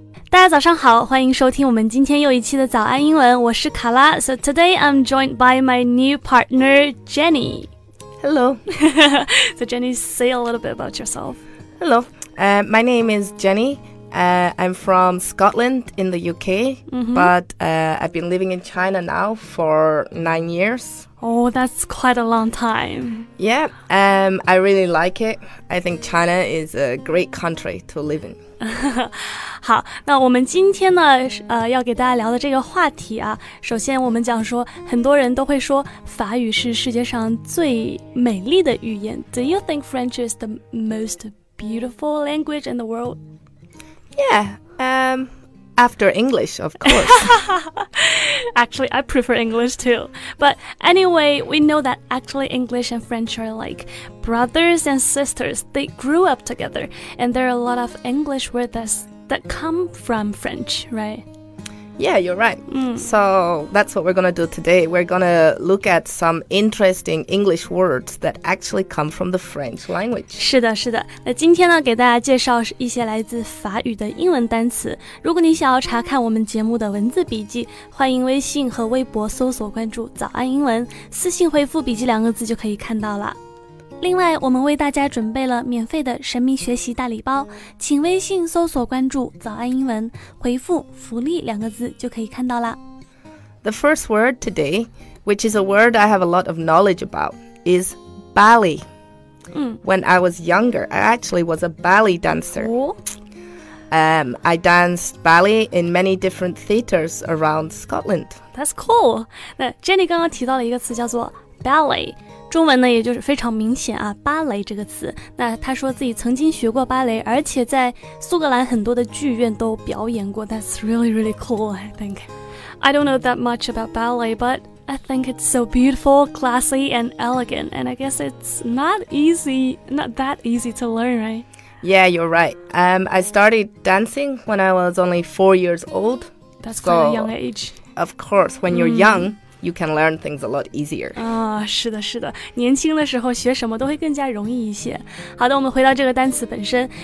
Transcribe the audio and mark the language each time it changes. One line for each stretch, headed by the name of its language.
Chinese: 大家早上好，欢迎收听我们今天又一期的早安英文，我是卡拉。
English: So today I'm joined by my new partner Jenny. Hello. So Jenny, say a little bit about yourself. Hello, my name is Jenny. I'm from Scotland in the UK, but I've been living in China now for 9 years. Oh, that's quite a long time. Yeah, I really like it. I think China is a great country to live in.
Chinese: 好，那我们今天呢，要给大家聊的这个话题啊，首先我们讲说，很多人都会说法语是世界上最美丽的语言。
English: Do you think French is the most beautiful language in the world? Yeah, after English, of course. Actually, I prefer English too. But anyway, we know that actually English and French are like brothers and sisters. They grew up together, and there are a lot of English words that come from French, right? Yeah, you're right. So that's what we're going to do today. We're going to look at some interesting English words that actually come from the French language.
Chinese: 是的，是的。那今天呢，给大家介绍一些来自法语的英文单词。如果你想要查看我们节目的文字笔记，欢迎微信和微博搜索关注早安英文，私信回复笔记两个字就可以看到了。另外，我们为大家准备了免费的神秘学习大礼包，请微信搜索关注早安英文，回复福利两个字就可以看到了。
English: The first word today, which is a word I have a lot of knowledge about, is ballet. When I was younger, I actually was a ballet dancer. I danced ballet in many different theaters around Scotland. That's cool.
Chinese: 那 Jenny 刚刚提到了一个词叫做 ballet。中文呢也就是非常明显啊，芭蕾这个词。那他说自己曾经学过芭蕾，而且在苏格兰很多的剧院都表演过。
English: That's really really cool, I think. I don't know that much about ballet, but I think it's so beautiful, classy and elegant. And I guess it's not that easy to learn, right? Yeah, you're right. I started dancing when I was only 4 years old. That's quite a young age. Of course, when you're young,you can learn things a lot easier.
Chinese: 啊，是的，是的，年轻的时候学什么都会更加容易一些。好的，我们回到这个单词本身。